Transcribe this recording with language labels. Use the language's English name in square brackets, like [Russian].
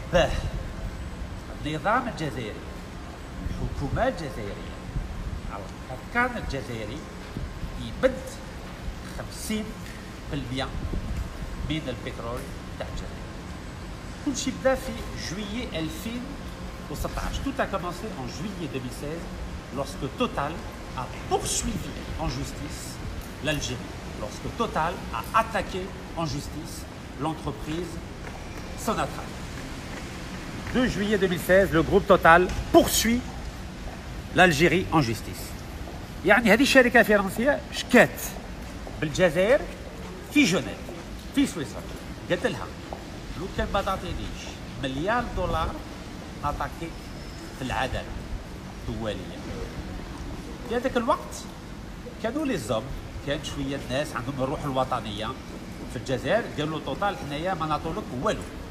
[Arabic] باه، النظام الجزائري، الحكومة الجزائرية، الحكام الجزائري يبد 50% من البترول تاع الجزائر. كل شيء بدا في جويليه 2016. [French] Tout a commencé en juillet 2016 lorsque Total a poursuivi en justice l'Algérie. Lorsque Total a attaqué en justice l'entreprise Sonatrach. 2 juillet 2016, le groupe Total poursuit l'Algérie en justice. [Arabic] يعني هذه الشركة الفرنسية شكات بالجزائر في جنيف. في سويسرا قالت لها لو كان ما تعطينيش مليار دولار اتاكي في العداله الدوليه. في هذاك الوقت كانوا لي زوم، كان شويه الناس عندهم الروح الوطنيه في الجزائر، قالوا توتال حنايا ما نعطولك والو.